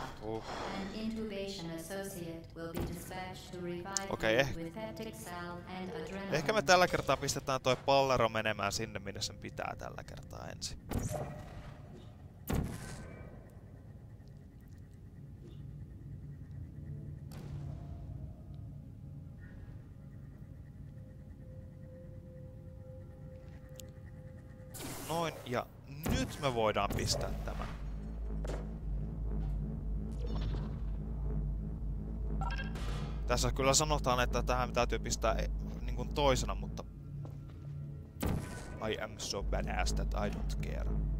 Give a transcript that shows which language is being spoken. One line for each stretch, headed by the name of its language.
English: An intubation associate will be dispatched to revive you with septic cell and adrenaline.
Finnish: Ehkä me tällä kertaa pistetään toi pallero menemään sinne, minne sen pitää tällä kertaa ensin. Noin, ja nyt me voidaan pistää tämä. Tässä kyllä sanotaan, että tähän täytyy pistää niin kuin toisena, mutta...
English: I am so badass that I don't care.